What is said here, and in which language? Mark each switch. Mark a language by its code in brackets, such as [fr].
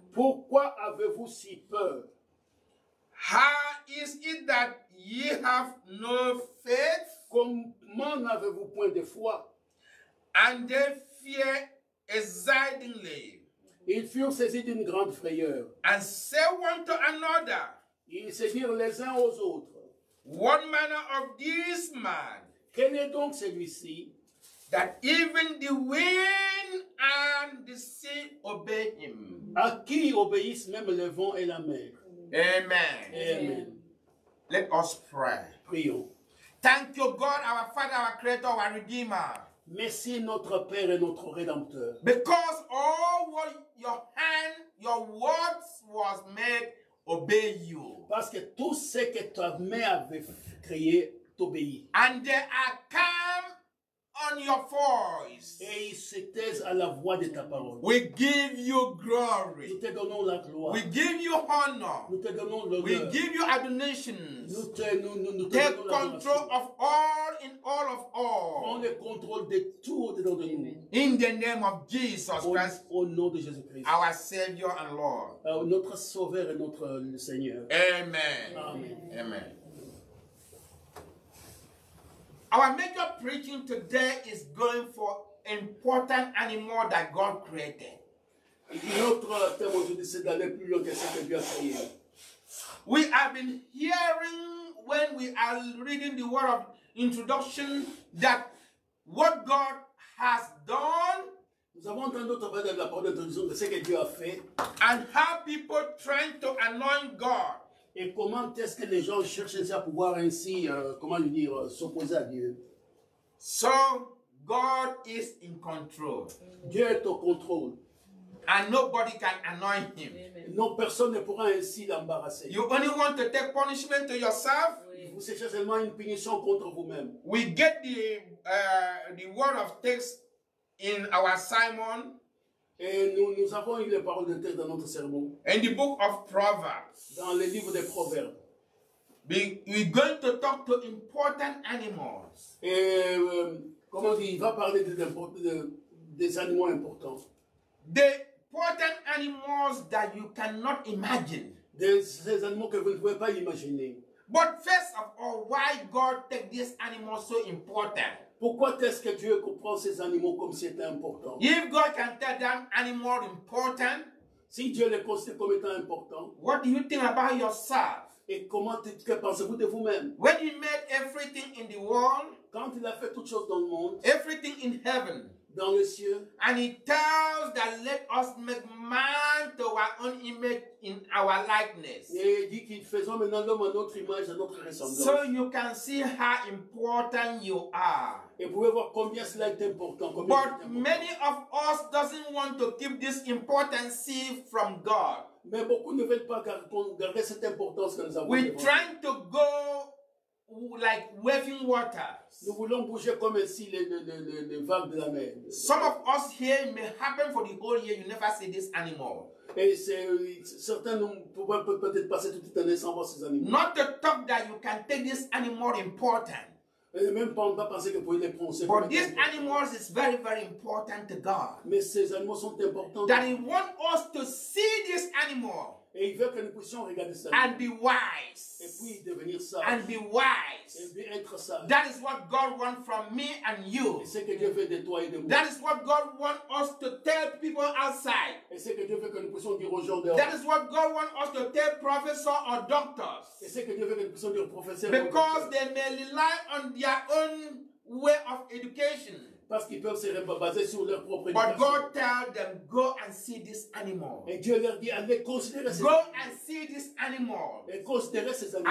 [fr] Pourquoi avez-vous si peur? [en] How is it that ye have no faith? [fr] Comment n'avez-vous point de foi? [en] And they fear exceedingly. [fr] Ils furent saisis d'une grande frayeur. [en] And said one to another. [fr] Ils se dirent les uns aux autres. [en] What manner of this man? [fr] Quel est donc celui-ci? [en] That even the wind and the sea obey him. [fr] À qui obéissent même le vent et la mer. [en] Amen. [fr] Amen. [en] Let us pray. [fr] Prions. [en] Thank you God, our Father, our Creator, our Redeemer. [fr] Merci notre Père et notre Rédempteur. [en] Because all what your hand, your words was made obey you. [fr] Parce que tout ce que ta main avait créé t'obéit. [en] And they are calm on your voice. [fr] Et ils se taisent à la voix de ta parole. [en] We give you glory. [fr] Nous te donnons la gloire. [en] We give you honor. [fr] Nous te donnons l'honneur. [en] We give you adoration. [fr] Nous [en] take te control of all in all of all. [fr] Prends le contrôle de tout au-dedans de nous. [en] In the name of Jesus Christ. [fr] Au nom de Jésus Christ. [en] Our Savior and Lord. [fr] Notre Sauveur et notre Seigneur. [en] Amen. [fr] Amen. [en] Amen. Our major preaching today is going for important animal that God created. [fr] Notre thème aujourd'hui c'est d'aller plus loin que ce que Dieu a créé. [en] We have been hearing when we are reading the word of introduction that what God has done, [fr] Nous avons entendu parler de la parole de Dieu, de ce que Dieu a fait. [en] And how people trying to anoint God. [fr] Et comment est-ce que les gens cherchent à pouvoir ainsi, comment lui dire, s'opposer à Dieu? [en] So God is in control. [fr] Dieu est au contrôle. [en] And nobody can anoint him. [fr] Non, personne ne pourra ainsi l'embarrasser. [en] You only want to take punishment to yourself. [fr] Oui. Vous cherchez seulement une punition contre vous-même. [en] We get the word of text in our sermon. [fr] Et nous avons eu les paroles de texte dans notre sermon. [en] In the book of Proverbs. [fr] Dans le livre des Proverbes. [en] We're going to talk to important animals. [fr] Il va parler des animaux importants. [en] The important animals that you cannot imagine. [fr] Des animaux que vous ne pouvez pas imaginer. [en] But first of all, why God take these animals so important? [fr] Pourquoi est-ce que Dieu comprend ces animaux comme c'est important? [en] If God can tell them animal important, [fr] si Dieu les considère comme étant important, [en] what do you think about yourself? [fr] Et comment que pensez-vous de vous-même? [en] When He made everything in the world, [fr] quand il a fait toutes choses dans le monde, [en] everything in heaven, [fr] dans les cieux, [en] and He tells that let us make man to our own image in our likeness. [fr] Et dit qu'il faisons maintenant l'homme à notre image, à notre ressemblance. [en] So you can see how important you are. [fr] Et vous pouvez voir combien cela est important. [en] But many of us doesn't want to keep this importance from God. [fr] Mais beaucoup ne veulent pas garder cette importance que nous avons. [en] We're trying to go like waving water. [fr] Nous voulons bouger comme ici les vagues de la mer. [en] Some of us here may happen for the whole year you never see this animal. [fr] Et c'est certains pourront peut-être passer toute une année sans voir ces animaux. [en] Not to talk that you can take this animal important. [fr] Et même pas on va penser que pour les prendre. [en] But these animals is very very important to God. [fr] Mais ces animaux sont importants. [en] That He want us to see this animal. [fr] Et il veut que nous puissions regarder ça. [en] And be wise. [fr] Et puis devenir sage. [en] And be wise. [fr] Et être sage. [en] That is what God wants from me and you. [fr] Et c'est que Dieu veut de toi et de moi. [en] That is what God want us to tell people outside. [fr] Et c'est que Dieu veut que nous puissions dire aux gens dehors. [en] That is what God want us to tell professors or doctors. [fr] Et c'est que Dieu veut que nous puissions dire aux professeurs. [en] Because they may rely on their own way of education. [fr] Parce qu'ils peuvent se baser sur leur propre éducation. [en] But God tells them, go and see this animal. [fr] Et Dieu leur dit, allez considérer ces animaux. [en] Go and see this animal. [fr] Et considérez ces animaux.